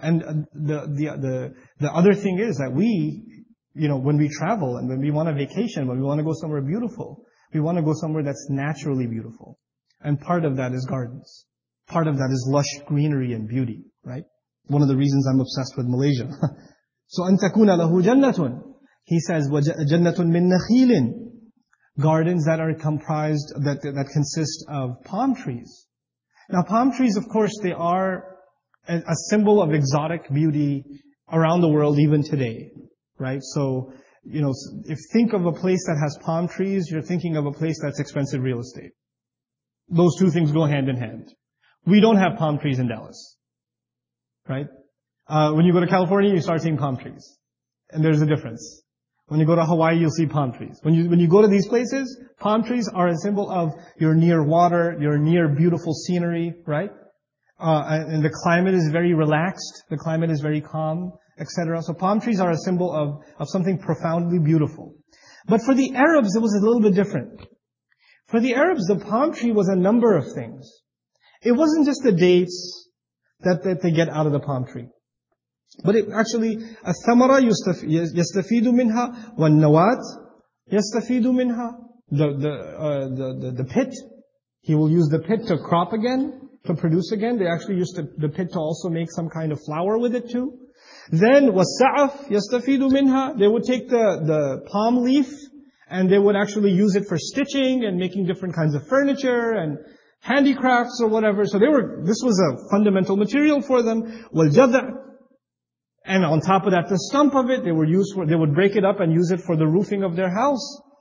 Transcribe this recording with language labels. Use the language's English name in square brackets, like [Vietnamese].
[English] And the other thing is that we, you know, when we travel and when we want a vacation, when we want to go somewhere beautiful, we want to go somewhere that's naturally beautiful. And part of that is gardens. Part of that is lush greenery and beauty, right? One of the reasons I'm obsessed with Malaysia. So, [Arabic] أَن تَكُونَ لَهُ جَنَّةٌ. [English] He says, [Arabic] وَجَنَّةٌ مِن نَخِيلٍ. [English] Gardens that are comprised, that consist of palm trees. Now, palm trees, of course, they are a symbol of exotic beauty around the world even today, right? So, you know, if think of a place that has palm trees, you're thinking of a place that's expensive real estate. Those two things go hand in hand. We don't have palm trees in Dallas, right? When you go to California, you start seeing palm trees. And there's a difference. When you go to Hawaii, you'll see palm trees. When you go to these places, palm trees are a symbol of you're near water, you're near beautiful scenery, right? And the climate is very relaxed, the climate is very calm, etc. So palm trees are a symbol of something profoundly beautiful. But for the Arabs, it was a little bit different. For the Arabs, the palm tree was a number of things. It wasn't just the dates that they get out of the palm tree. But it actually, [Arabic] الثمرة يستفيد منها والنواة يستفيد منها. [English] The pit, he will use the pit to crop again, to produce again. They actually used the pit to also make some kind of flour with it too. Then [Arabic] والسعف يستفيد منها. [English] They would take the palm leaf and they would actually use it for stitching and making different kinds of furniture and handicrafts or whatever. So this was a fundamental material for them. [Arabic] والجذع. [English] And on top of that, the stump of it, they would break it up and use it for the roofing of their house.